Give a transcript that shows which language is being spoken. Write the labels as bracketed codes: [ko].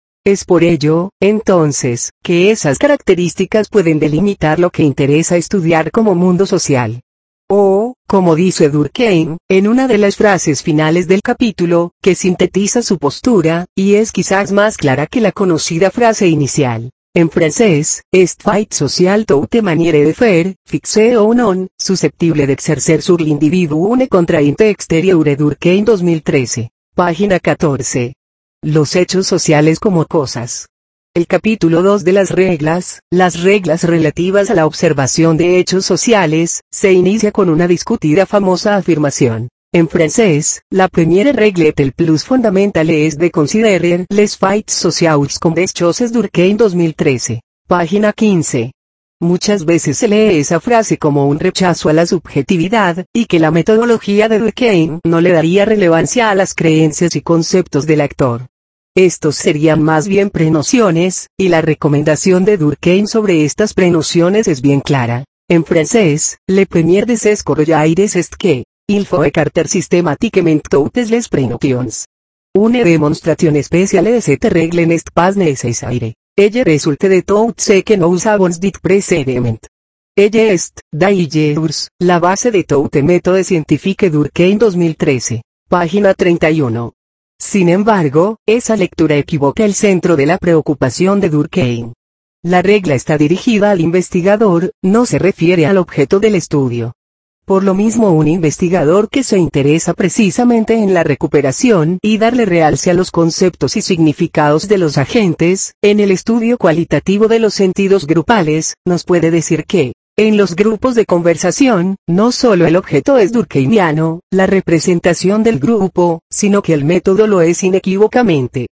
[es] Es por ello, entonces, que esas características pueden delimitar lo que interesa estudiar como mundo social. O, Como dice Durkheim, en una de las frases finales del capítulo, que sintetiza su postura, y es quizás más clara que la conocida frase inicial. En francés, [fr] est fait social toute manière de faire, fixé ou non, susceptible de exercer sur l'individu une contrainte extérieure. [es] Durkheim 2013. Página 14. Los hechos sociales como cosas. El capítulo 2 de las reglas relativas a la observación de hechos sociales, se inicia con una discutida famosa afirmación. En francés, [fr] la première règle est le plus fondamental est de considérer les faits sociaux comme des choses. [es] Durkheim 2013. Página 15. Muchas veces se lee esa frase como un rechazo a la subjetividad, y que la metodología de Durkheim no le daría relevancia a las creencias y conceptos del actor. Estos serían más bien prenociones, y la recomendación de Durkheim sobre estas prenociones es bien clara. En francés, [fr] le premier de ses corollaires est que, il faut écarter systématiquement toutes les prenotions. Une démonstration spéciale de cette règle n'est pas nécessaire. Elle résulte de tout ce que nous avons dit précédemment. Elle est, d'ailleurs, la base de toute méthode scientifique. [es] Durkheim 2013. Página 31. Sin embargo, esa lectura equivoca el centro de la preocupación de Durkheim. La regla está dirigida al investigador, no se refiere al objeto del estudio. Por lo mismo, un investigador que se interesa precisamente en la recuperación y darle realce a los conceptos y significados de los agentes, en el estudio cualitativo de los sentidos grupales, nos puede decir que, en los grupos de conversación, no solo el objeto es durkheimiano, la representación del grupo, sino que el método lo es inequívocamente.